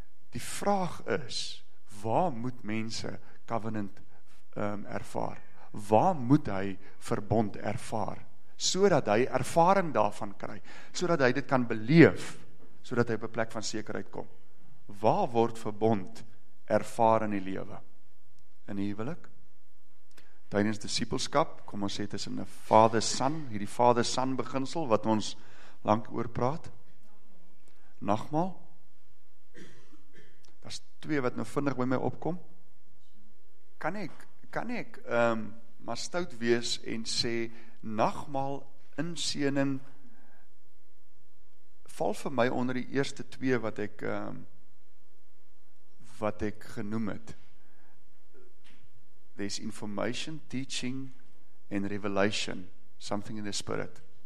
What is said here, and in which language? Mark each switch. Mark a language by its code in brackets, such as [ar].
[af] Die vraag is, waar moet mense covenant ervaar? Waar moet hy verbond ervaar? Sodat hy ervaring daarvan kry, sodat hy dit kan beleef, sodat hy op 'n plek van sekerheid kom. Waar word verbond ervaar in die lewe? In die huwelik? Tydens disipelskap? Kom ons sê tussen 'n vader-son, hierdie vader-son beginsel wat ons lank oor praat. Nagmaal. Daar's twee wat nou vinnig by my opkom. Kan ek maar stout wees en sê nagmaal inseening val vir my onder die eerste twee wat ek genoem het. [en] There's information, teaching and revelation, something in the spirit.